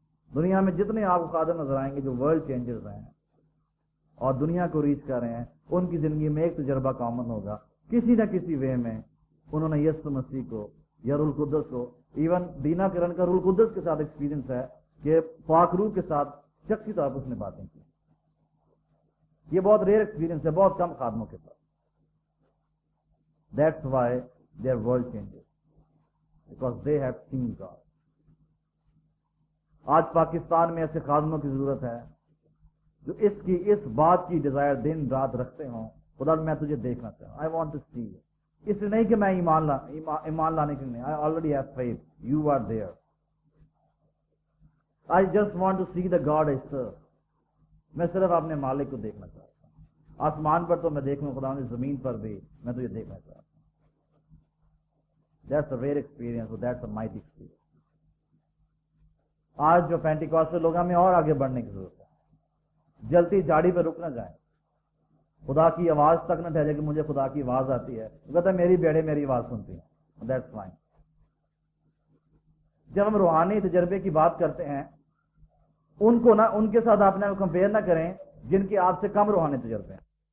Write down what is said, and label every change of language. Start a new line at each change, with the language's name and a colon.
Urdu: دنیا میں جتنے آپ کو خادم نظر آئیں گے جو ورلڈ چینجرز ہیں اور دنیا کو ریچ کر رہے ہیں ان کی زندگی میں ایک تجربہ کامن ہوگا، کسی نہ کسی وے میں انہوں نے یسوع مسیح کو یا روح القدس کو، ایون دینا کرن کا روح القدس کے ساتھ ایکسپیرینس ہے کہ پاک روح کے ساتھ شخصی طور پر اس نے باتیں کی. یہ بہت ریئر ایکسپیرینس ہے بہت کم خادموں کے پاس.
English: That's why their world changes. Because they have seen God.
Urdu: آج پاکستان میں ایسے خادموں کی ضرورت ہے جو اس کی اس بات کی ڈیزائر دن رات رکھتے ہوں، خدا میں تجھے دیکھنا چاہتا ہوں.
English: I want to see you.
Urdu: اس لیے نہیں کہ میں ایمان لانے کے لیے،
English: I already have faith. You are there. I just want to see the God I serve.
Urdu: میں صرف اپنے مالک کو دیکھنا چاہتا ہوں. آسمان پر تو میں دیکھوں خدا نے، زمین پر بھی میں تجھے دیکھنا چاہتا ہوں.
English: That's a rare experience, so that's a mighty experience.
Urdu: آج جو پینٹیکوسٹل لوگ ہمیں اور آگے بڑھنے کی ضرورت ہے. جلتی جاڑی پہ رک نہ جائیں، خدا کی آواز تک نہ ٹھہرے کہ مجھے خدا کی آواز آتی ہے، وہ کہتا ہے میری بیڑے میری آواز سنتی ہیں.
English: That's fine.
Urdu: جب ہم روحانی تجربے کی بات کرتے ہیں ان کو نہ ان کے ساتھ اپنے آپ کو کمپیئر نہ کریں جن کے آپ سے کم روحانی تجربے ہیں.